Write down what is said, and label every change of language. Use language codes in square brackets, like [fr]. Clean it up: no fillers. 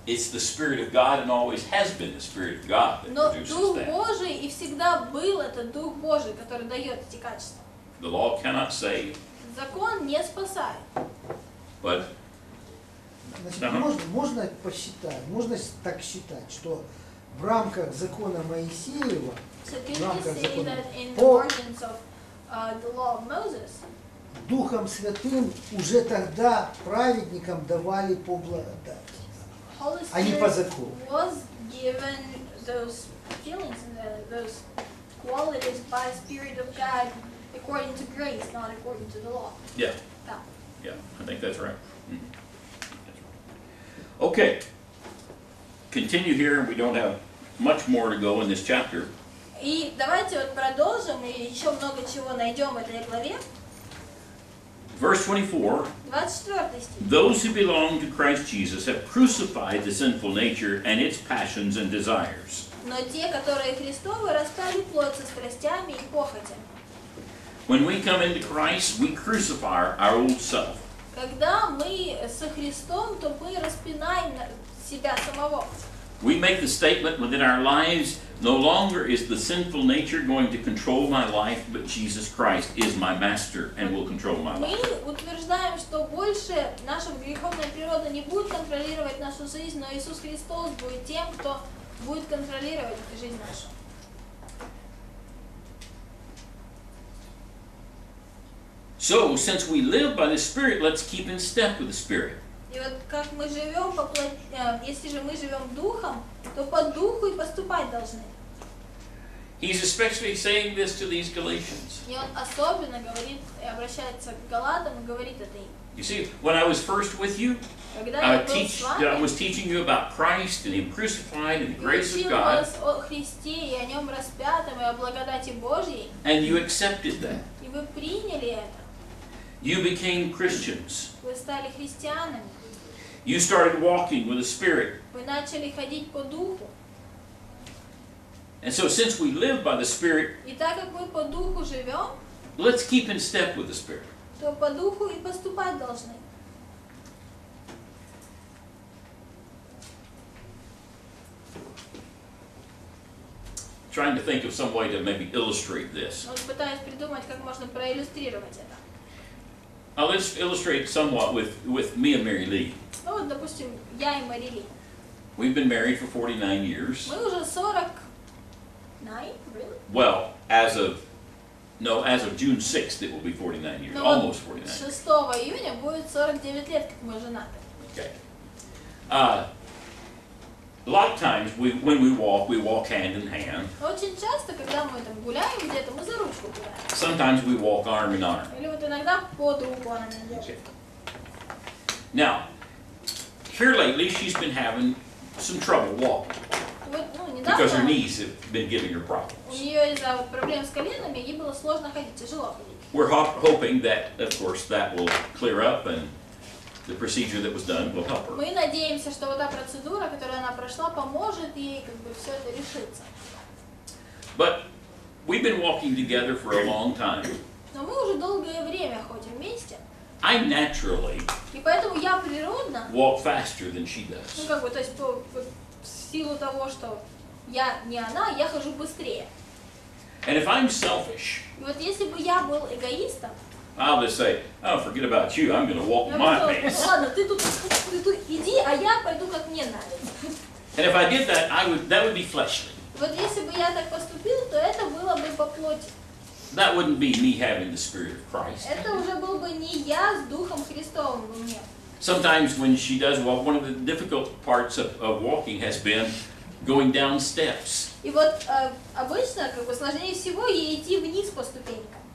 [en] It's the Spirit of God and always has been the Spirit of God that [ru] Но [en] produces [ru] Дух [en] that. [ru] Божий и всегда был этот Дух Божий, который дает эти качества. [en] The law cannot save. [ru] Закон не спасает. [en] But, [ru] значит, можно посчитать, можно так считать, что в рамках закона Моисеева, [en] so [ru] в рамках закона, [en] Moses, [ru] Духом Святым уже тогда праведникам давали по благодати, а не по закону. [en] Was given those feelings and those qualities by Spirit of God according to grace, not according to the law. Yeah. That. Yeah, I think that's right. Mm-hmm. Okay. Continue here. We don't have much more to go in this chapter. [ru] И давайте вот продолжим, и еще много чего найдем в этой главе. [en] Verse 24, [ru] 24. [en] Those who belong to Christ Jesus have crucified the sinful nature and its passions and desires. [ru] Но те, которые Христовы, распяли плоть со страстями и похотями. [en] When we come into Christ, we crucify our old self. [ru] Когда мы со Христом, то мы распинаем себя самого. [en] We make the statement within our lives, no longer is the sinful nature going to control my life, but Jesus Christ is my master and will control my life. [ru] Мы утверждаем, что больше наша греховная природа не будет контролировать нашу жизнь, но Иисус Христос будет тем, кто будет контролировать жизнь нашу. [en] So, since we live by the Spirit, let's keep in step with the Spirit. [ru] И вот как мы живем, если же мы живем Духом, то по Духу и поступать должны. [en] He's especially saying this to these Galatians. [ru] И он особенно говорит, обращается к Галатам и говорит это им. [en] You see, when I was first with you, I was teaching you about Christ and Him crucified and the grace of God. [ru] Я учил вас о Христе и о Нем распятом и о благодати Божьей. [en] And you accepted that. [ru] И вы приняли это. [en] You became Christians. [ru] Вы стали христианами. [en] You started walking with the Spirit. [ru] Вы начали ходить по Духу. [en] And so since we live by the Spirit, [ru] и так как мы по Духу живем, [en] let's keep in step with the Spirit. [ru] То по Духу и поступать должны. [en] Trying to think of some way to maybe illustrate this. [ru] Вот пытаюсь придумать, как можно проиллюстрировать это. [en] I'll just illustrate somewhat with me and Mary Lee. [ru] Ну, вот, допустим, я и Мэри Ли. [en] We've been married for 49 years. [ru] Мы уже 49, [en] really? Well, as of June 6th, it will be 49 years, [ru] ну, [en] almost 49. [ru] 6 июня будет 49 лет, как мы женаты. [en] Okay. A lot of times, when we walk hand in hand. [ru] Очень часто, когда мы там гуляем где-то, мы за ручку гуляем. [en] Sometimes we walk arm in arm. [ru] Или вот иногда под руку она идет. [en] Okay. Now, here lately, she's been having some trouble walking. [ru] Вот, ну, недавно, [en] because her knees have been giving her problems. [ru] У нее из-за проблем с коленами ей было сложно ходить, тяжело ходить. [en] We're hoping that, of course, that will clear up and the procedure that was done will help her. [ru] Мы надеемся, что вот та процедура, которую она прошла, поможет ей как бы все это решиться. [en] But we've been walking together for a long time. [ru] Но мы уже долгое время ходим вместе. [en] I naturally. [ru] И поэтому я природно. [en] Walk faster than she does. [ru] Ну как бы, то есть в силу того, что я не она, я хожу быстрее. [en] And if I'm selfish. [ru] И вот если бы я был эгоистом. [en] I'll just say, oh, forget about you, I'm going to walk my pace. [ru] Ладно, ты тут иди, а я пойду как мне надо. [en] And if I did that, that would be fleshly. [ru] Вот если бы я так поступил, то это было бы по плоти. [en] That wouldn't be me having the Spirit of Christ. [ru] Это уже был бы не я с Духом Христовым во мне. [en] Sometimes when she does walk, one of the difficult parts of walking has been going down steps. [ru] И вот обычно, как бы сложнее всего, ей идти вниз по ступенькам.